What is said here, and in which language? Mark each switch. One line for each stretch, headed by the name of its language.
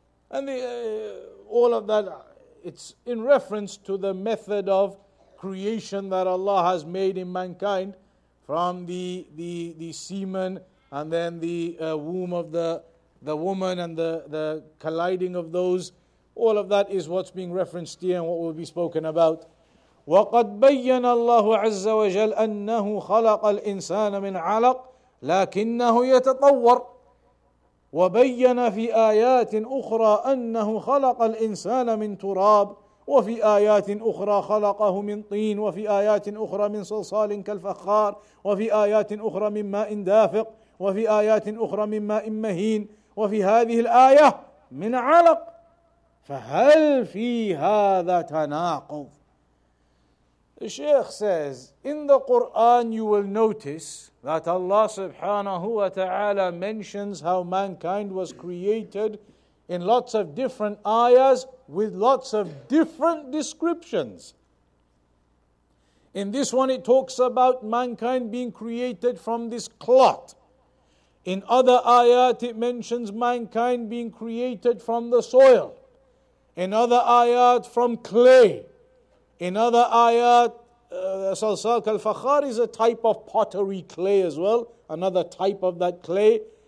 English: And all of that, it's in reference to the method of creation that Allah has made in mankind from the semen and then the womb of the woman and the colliding of those. All of that is what's being referenced here and what will be spoken about.
Arabic: وَقَدْ بَيَّنَ اللَّهُ عَزَّ وَجَلْ أَنَّهُ خَلَقَ الْإِنسَانَ مِنْ عَلَقٍ لَكِنَّهُ يَتَطَوَّرُ وَبَيَّنَ فِي آيَاتٍ أُخْرَى أَنَّهُ خَلَقَ الْإِنسَانَ مِنْ تُرَابٍ وفي آيات أخرى خلقه من طين وفي آيات أخرى من صلصال كالفخار وفي آيات أخرى من ماء دافق وفي آيات أخرى من ماء مهين وفي هذه الآية من علق فهل في هذا تناقض؟
English: The Sheikh says, in the Quran you will notice that Allah subhanahu wa ta'ala mentions how mankind was created in lots of different ayahs with lots of different descriptions. In this one it talks about mankind being created from this clot. In other ayat it mentions mankind being created from the soil. In other ayat from clay. In other ayat, salsal kalfakhar is a type of pottery clay as well, another type of that clay.